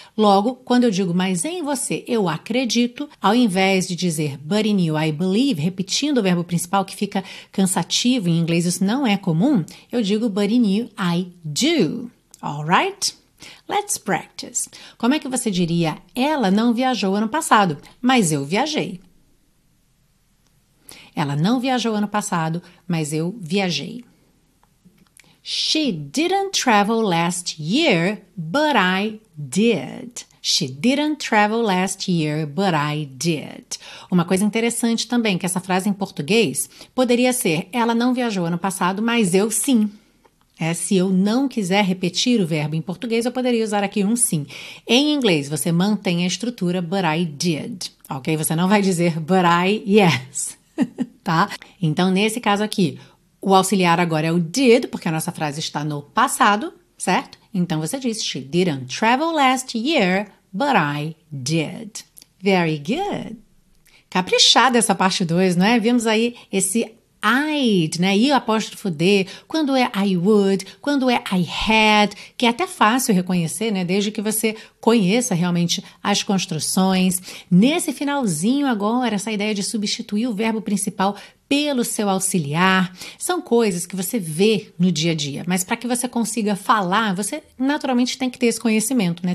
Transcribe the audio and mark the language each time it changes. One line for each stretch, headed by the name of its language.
Portuguese: Logo, quando eu digo, mas em você eu acredito, ao invés de dizer,
English: but in you I believe,
Portuguese: repetindo o verbo principal que fica cansativo, em inglês isso não é comum, eu digo,
English: but in you I do.
Portuguese: All right?
English: Let's practice.
Portuguese: Como é que você diria, ela não viajou ano passado, mas eu viajei? Ela não viajou ano passado, mas eu viajei.
English: She didn't travel last year, but I did. She didn't travel last year, but I did.
Portuguese: Uma coisa interessante também, que essa frase em português poderia ser, ela não viajou ano passado, mas eu sim. É, se eu não quiser repetir o verbo em português, eu poderia usar aqui um sim. Em inglês, você mantém a estrutura,
English: but I did.
Portuguese: Ok? Você não vai dizer,
English: but I, yes.
Portuguese: Tá? Então, nesse caso aqui, o auxiliar agora é o did, porque a nossa frase está no passado, certo? Então, você diz,
English: she didn't travel last year, but I did. Very good.
Portuguese: Caprichada essa parte 2, não é? Vimos aí esse I'd, né? E o apóstrofo D, quando é I would, quando é I had, que é até fácil reconhecer, né? Desde que você conheça realmente as construções. Nesse finalzinho agora, essa ideia de substituir o verbo principal pelo seu auxiliar, são coisas que você vê no dia a dia, mas para que você consiga falar, você naturalmente tem que ter esse conhecimento, né?